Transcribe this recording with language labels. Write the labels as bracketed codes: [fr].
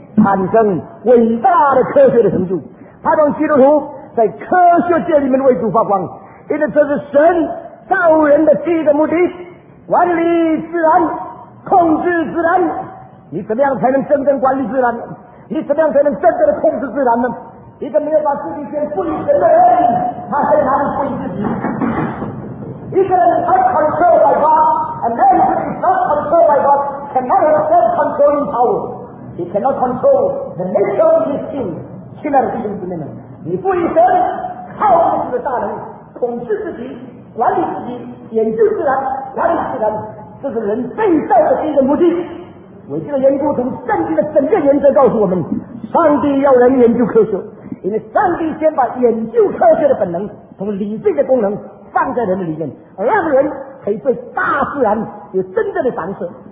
[zh] 产生伟大的科学的成就。他让基督徒在科学界里面为主发光，因为这是神造人的第一个目的，管理自然，控制自然。你怎么样才能真正管理自然？你怎么样才能真正的控制自然呢？一个没有把自己先赋予神的人，他很难赋予自己。一个人 [en] self control by God, a man who is not controlled by God cannot have self controlling power. He cannot control the nature of his sin. [zh] 亲爱的弟兄姊妹们，你赋予神，靠自己的大能统治自己，管理自己，研究自然，管理自然，这是人最大的第一个目的。为这个缘故，从圣经的整个原则告诉我们，上帝要人研究科学，因为上帝先把研究科学的本能，从理性的功能放在人的里面，让人可以对大自然有真正的赏识。